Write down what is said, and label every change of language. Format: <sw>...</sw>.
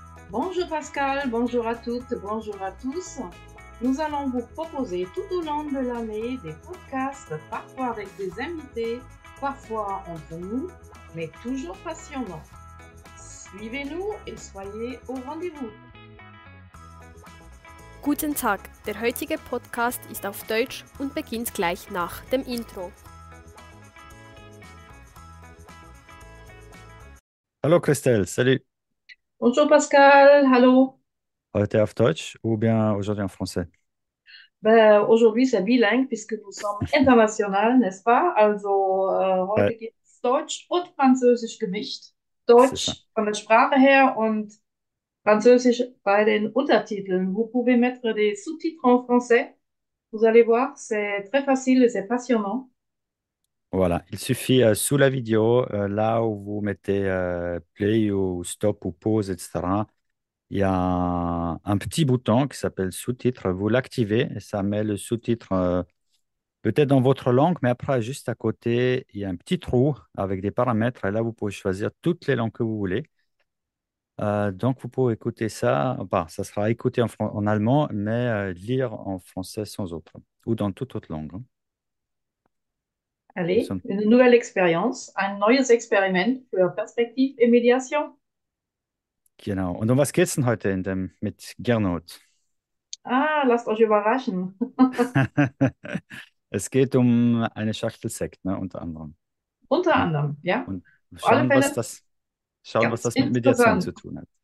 <fr>Bonjour Pascal, bonjour à toutes, bonjour à tous. Nous allons vous proposer tout au long de l'année des podcasts, parfois avec des invités, parfois entre nous, mais toujours passionnants. Suivez-nous et soyez au rendez-vous.</fr> <de>Guten Tag, der heutige Podcast ist auf Deutsch und beginnt gleich nach dem Intro. Hallo Christelle, salut.</de> <fr>Bonjour Pascal, hallo.</fr> <de>Heute auf Deutsch</de> <fr>ou bien aujourd'hui en français? Aujourd'hui c'est bilingue puisque nous sommes international, n'est-ce pas?</fr> <de>Also heute geht es Deutsch und Französisch gemischt. Deutsch von der Sprache her und Französisch bei den Untertiteln.</de> <fr>Vous pouvez mettre des sous-titres en français. Vous allez voir, c'est très facile et c'est passionnant. Voilà, il suffit sous la vidéo, là où vous mettez play ou stop ou pause, etc. Il y a un petit bouton qui s'appelle sous-titre. Vous l'activez et ça met le sous-titre peut-être dans votre langue, mais après, juste à côté, il y a un petit trou avec des paramètres. Et là, vous pouvez choisir toutes les langues que vous voulez. Donc, vous pouvez écouter ça. Enfin, ça sera écouté en allemand, mais lire en français sans autre ou dans toute autre langue. Allez, une nouvelle expérience, un</fr> <de>neues Experiment</de> <fr>für Perspektive et Mediation.</fr> <de>Genau. Und um was geht's denn heute in dem, mit Gernot? Ah, lasst euch überraschen. Es geht um eine Schachtel Sekt, ne, unter anderem. Unter anderem, ja. Und schauen, was das, schauen was das mit Mediation zu tun hat.</de>